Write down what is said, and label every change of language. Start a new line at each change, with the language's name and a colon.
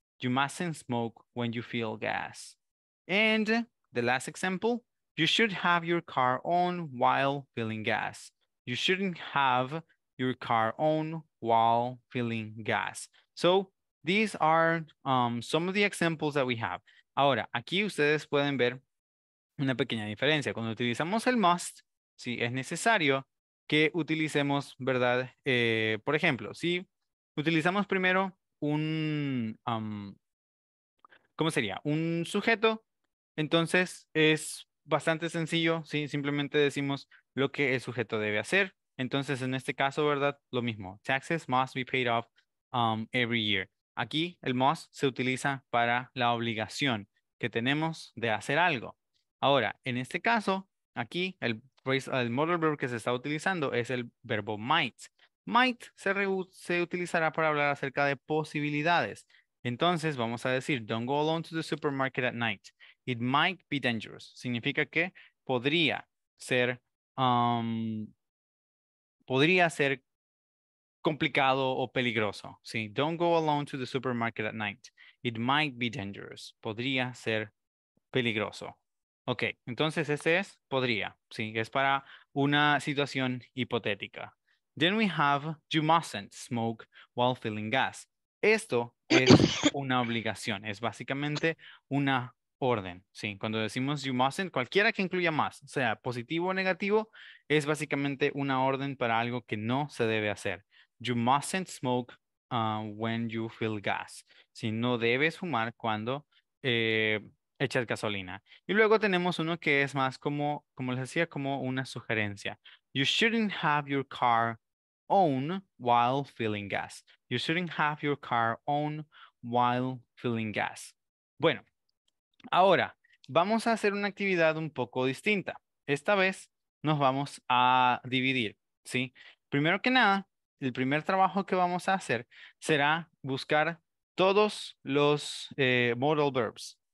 English: You mustn't smoke when you feel gas. And the last example, you should have your car on while filling gas. You shouldn't have your car on while filling gas. So these are some of the examples that we have.
Spanish: Ahora, aquí ustedes pueden ver una pequeña diferencia. Cuando utilizamos el must, si es necesario, que utilicemos, ¿verdad? Por ejemplo, si utilizamos primero un, ¿cómo sería? Un sujeto, entonces es bastante sencillo, ¿sí? Simplemente decimos lo que el sujeto debe hacer. Entonces, en este caso, ¿verdad? Lo mismo.
English: Taxes must be paid off every year.
Spanish: Aquí el must se utiliza para la obligación que tenemos de hacer algo. Ahora, en este caso, aquí el modal verb que se está utilizando es el verbo might. Might se utilizará para hablar acerca de posibilidades. Entonces vamos a decir,
English: don't go alone to the supermarket at night. It might be dangerous.
Spanish: Significa que podría ser podría ser complicado o peligroso. ¿Sí?
English: Don't go alone to the supermarket at night. It might be dangerous.
Spanish: Podría ser peligroso. Ok, entonces ese es podría. ¿Sí? Es para una situación hipotética.
English: Then we have you mustn't smoke while filling gas.
Spanish: Esto es una obligación. Es básicamente una orden. ¿Sí? Cuando decimos
English: you mustn't,
Spanish: cualquiera que incluya más, sea positivo o negativo, es básicamente una orden para algo que no se debe hacer.
English: You mustn't smoke when you fill gas. ¿Sí?
Spanish: No debes fumar cuando echas gasolina. Y luego tenemos uno que es más como les decía, como una sugerencia.
English: You shouldn't have your car on while filling gas. You shouldn't have your car on while filling gas.
Spanish: Bueno, ahora vamos a hacer una actividad un poco distinta. Esta vez nos vamos a dividir, ¿sí? Primero que nada, el primer trabajo que vamos a hacer será buscar todos los modal verbs.